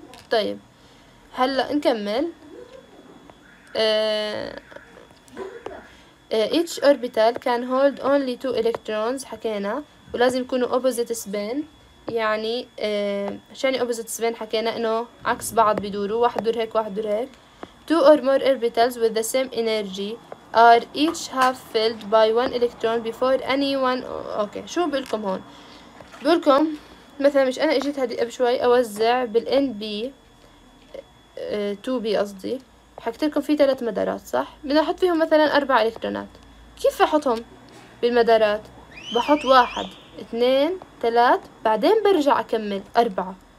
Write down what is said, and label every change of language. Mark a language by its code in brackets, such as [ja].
[ar] طيب هلا نكمل. [en] each orbital can hold only two electrons، [ar] حكينا ولازم يكونوا opposite spin، يعني عشان opposite spin حكينا انه عكس بعض بيدوروا، واحد دور هيك واحد دور هيك. [en] two or more orbitals with the same energy are each half filled by one electron before any one. [ar] اوكي شو بقولكم هون؟ بقولكم مثلا مش انا اجيت هذه قبل شوي اوزع بال NB 2B قصدي، حكيت لكم في ثلاث مدارات صح؟ بدي احط فيهم مثلا اربع الكترونات، كيف احطهم بالمدارات؟ بحط 1 2 3 بعدين برجع اكمل 4.